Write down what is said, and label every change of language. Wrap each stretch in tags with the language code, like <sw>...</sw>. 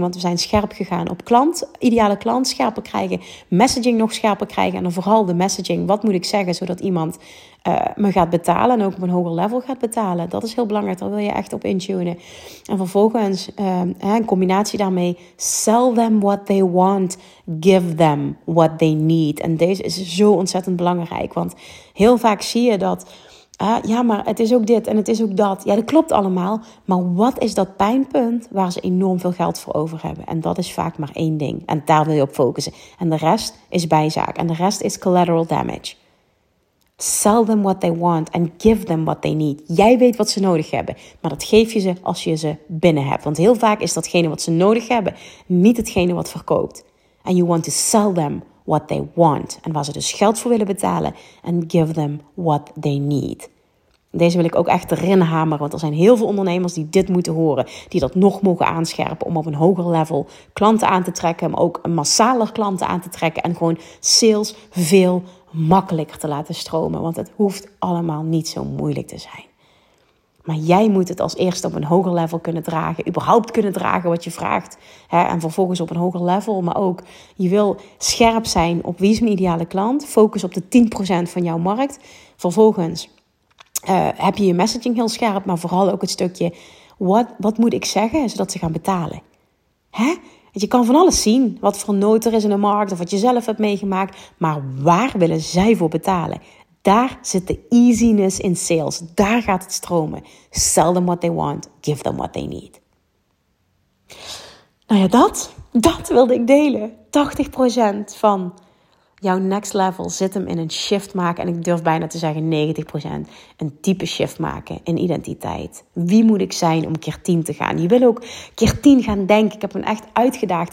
<nl>Want we zijn scherp gegaan op klant. Ideale klant scherper krijgen. Messaging nog scherper krijgen. En dan vooral de messaging. Wat moet ik zeggen zodat iemand me gaat betalen. En ook op een hoger level gaat betalen. Dat is heel belangrijk. Daar wil je echt op intunen. En vervolgens in combinatie daarmee.</nl> <en>Sell them what they want. Give them what they need.</en> <nl>En deze is zo ontzettend belangrijk. Want heel vaak zie je dat. Ja, maar het is ook dit en het is ook dat. Ja, dat klopt allemaal. Maar wat is dat pijnpunt waar ze enorm veel geld voor over hebben? En dat is vaak maar één ding. En daar wil je op focussen. En de rest is bijzaak. En de rest is collateral damage.</nl> <en>Sell them what they want and give them what they need.</en> <nl>Jij weet wat ze nodig hebben. Maar dat geef je ze als je ze binnen hebt. Want heel vaak is datgene wat ze nodig hebben niet hetgene wat verkoopt.</nl> <en>And you want to sell them what they want</en> <nl>en waar ze dus geld voor willen betalen en</nl> <en>give them what they need.</en> <nl>Deze wil ik ook echt erin hameren, want er zijn heel veel ondernemers die dit moeten horen, die dat nog mogen aanscherpen om op een hoger level klanten aan te trekken, maar ook massaler klanten aan te trekken en gewoon sales veel makkelijker te laten stromen, want het hoeft allemaal niet zo moeilijk te zijn. Maar jij moet het als eerste op een hoger level kunnen dragen. Überhaupt kunnen dragen wat je vraagt. Hè? En vervolgens op een hoger level. Maar ook, je wil scherp zijn op wie is mijn ideale klant. Focus op de 10% van jouw markt. Vervolgens heb je je messaging heel scherp. Maar vooral ook het stukje, wat moet ik zeggen zodat ze gaan betalen? Hè? Je kan van alles zien. Wat voor nood er is in de markt of wat je zelf hebt meegemaakt. Maar waar willen zij voor betalen? Daar zit de easiness in sales. Daar gaat het stromen.</nl> <en>Sell them what they want. Give them what they need.</en> <nl>Nou ja, dat wilde ik delen. 80% van jouw next level zit hem in een shift maken. En ik durf bijna te zeggen 90% een type shift maken in identiteit. Wie moet ik zijn om keer 10 te gaan? Je wil ook keer 10 gaan denken. Ik heb hem echt uitgedaagd.</nl>